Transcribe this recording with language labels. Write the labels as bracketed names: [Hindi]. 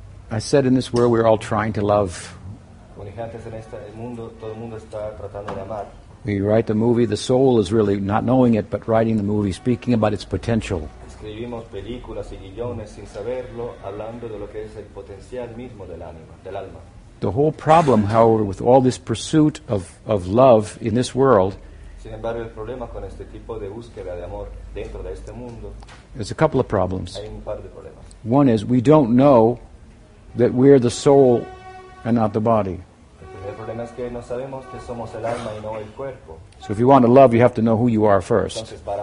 [English] I said in this world we're all trying to love. [Spanish] Como dije antes, en este mundo, todo el mundo está tratando de amar. [English] We write the movie, the soul is really not knowing it, but writing the movie, speaking about its potential. [Spanish] Escribimos películas y guiones sin saberlo, hablando de lo que es el potencial mismo del ánima, del alma. [English] The whole problem, however, with all this pursuit of love in this world, [Spanish] sin embargo, el problema con este tipo de búsqueda de amor dentro de este mundo, [English] there's a couple of problems. [Spanish] Hay un par de problemas. [English] One is, we don't know that we're the soul and not the body. So if you want to love, you have to know who you are first.